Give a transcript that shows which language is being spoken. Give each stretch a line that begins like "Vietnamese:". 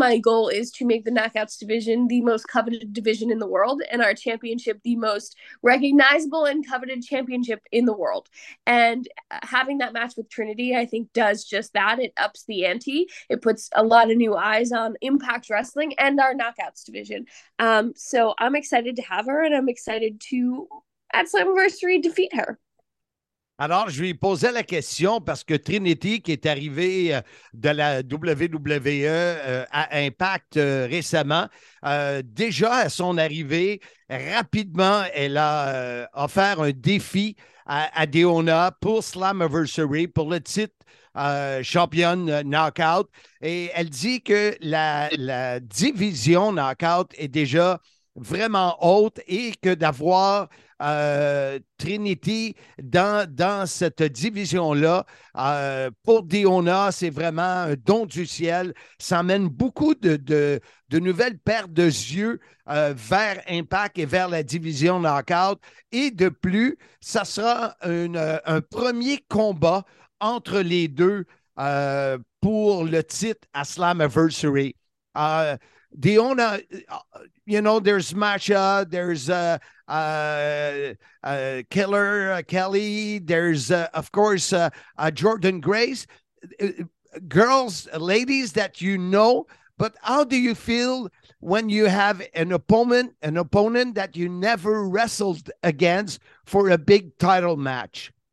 English: My goal is to make the Knockouts division the most coveted division in the world and our championship the most recognizable and coveted championship in the world. And having that match with Trinity, I think, does just that. It ups the ante. It puts a lot of new eyes on Impact Wrestling and our Knockouts division. So I'm excited to have her, and I'm excited to, at Slammiversary, defeat her.
French: Alors, je lui posais la question parce que Trinity, qui est arrivée de la WWE à Impact récemment, déjà à son arrivée, rapidement, elle a offert un défi à Deonda pour Slammiversary, pour le titre championne Knockout. Et elle dit que la division Knockout est déjà vraiment haute et que d'avoir Trinity dans cette division-là, pour Deonda, c'est vraiment un don du ciel. Ça amène beaucoup de nouvelles paires de yeux vers Impact et vers la division Knockout. Et de plus, ça sera un premier combat entre les deux pour le titre à Slammiversary.
English: Deonda, you know, there's Masha, there's Killer Kelly, there's, of course, Jordynne Grace. Girls, ladies that you know, but how do you feel when you have an opponent that you never wrestled against for a big title match?